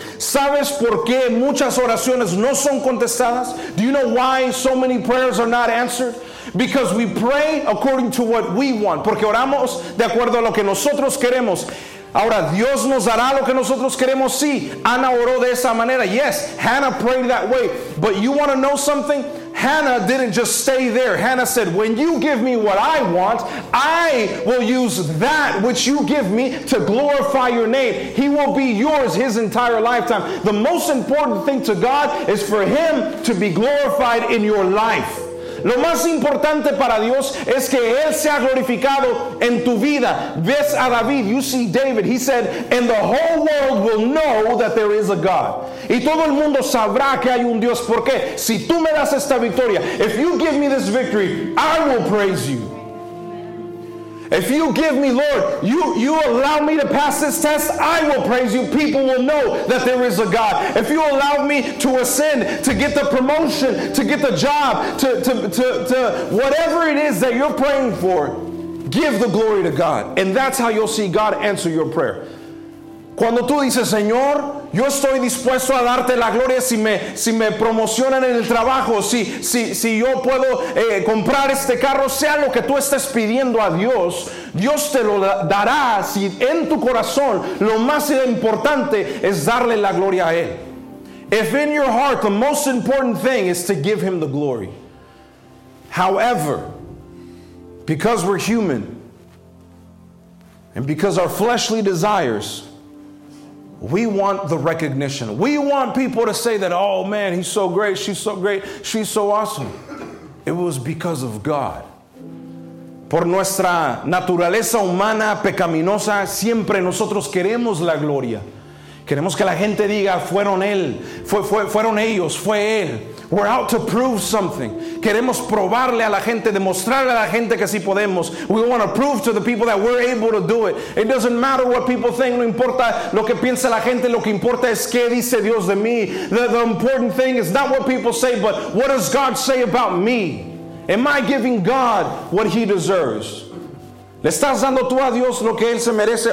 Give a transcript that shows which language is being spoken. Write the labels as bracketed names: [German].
[Spanish] ¿Sabes por qué muchas oraciones no son contestadas? [English] Do you know why so many prayers are not answered? Because we pray according to what we want. [Spanish] Porque oramos de acuerdo a lo que nosotros queremos. Ahora, Dios nos dará lo que nosotros queremos. Sí, Ana oró de esa manera. [English] Yes, Hannah prayed that way. But you want to know something? Hannah didn't just stay there. Hannah said, when you give me what I want, I will use that which you give me to glorify your name. He will be yours his entire lifetime. The most important thing to God is for him to be glorified in your life. [Spanish] Lo más importante para Dios es que Él sea glorificado en tu vida. Ves a David, [English] you see David, he said, and the whole world will know that there is a God. [Spanish] Y todo el mundo sabrá que hay un Dios. ¿Por qué? Si tú me das esta victoria, [English] if you give me this victory, I will praise you. If you give me, Lord, you allow me to pass this test, I will praise you. People will know that there is a God. If you allow me to ascend, to get the promotion, to get the job, to whatever it is that you're praying for, give the glory to God. And that's how you'll see God answer your prayer. [Spanish] Cuando tú dices, Señor, yo estoy dispuesto a darte la gloria si me promocionan en el trabajo, si yo puedo comprar este carro, sea lo que tú estés pidiendo a Dios, Dios te lo dará si en tu corazón lo más importante es darle la gloria a Él. [English] If in your heart the most important thing is to give Him the glory. However, because we're human, and because our fleshly desires, we want the recognition. We want people to say that, oh man, he's so great, she's so great, she's so awesome. It was because of God. [Spanish] Por nuestra naturaleza humana pecaminosa, siempre nosotros queremos la gloria. Queremos que la gente diga, fueron él, fueron ellos, fue él. [English] We're out to prove something. [Spanish] Queremos probarle a la gente, demostrarle a la gente que sí podemos. [English] We want to prove to the people that we're able to do it. It doesn't matter what people think. [Spanish] No importa lo que piense la gente. Lo que importa es qué dice Dios de mí. [English] The important thing is not what people say, but what does God say about me? Am I giving God what he deserves? [Spanish] ¿Le estás dando tú a Dios lo que Él se merece?